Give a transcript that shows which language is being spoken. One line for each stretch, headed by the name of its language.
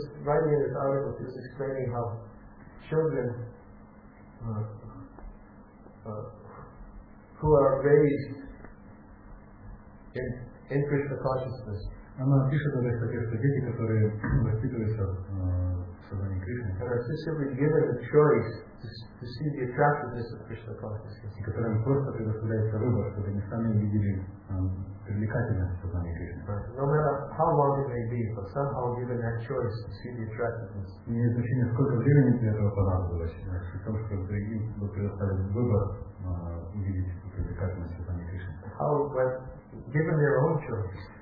English: I was just reading an article written by Urmila Devi Dasi. Who are raised in Krishna consciousness?
Russian: Она пишет о таких детях, которые воспитываются в сознании Кришны.
English: And are simply given a choice to see the attractiveness of Krishna consciousness.
Russian: И которым просто предоставляется выбор, чтобы они сами видели привлекательность сознания Кришны.
English: No matter how long it may be, but somehow given that choice to see the attractiveness.
Russian: Не значит, сколько времени для этого понадобилось, а в том, что другим был предоставлен выбор увидеть привлекательность сознания Кришны.
English: How when given their own choice?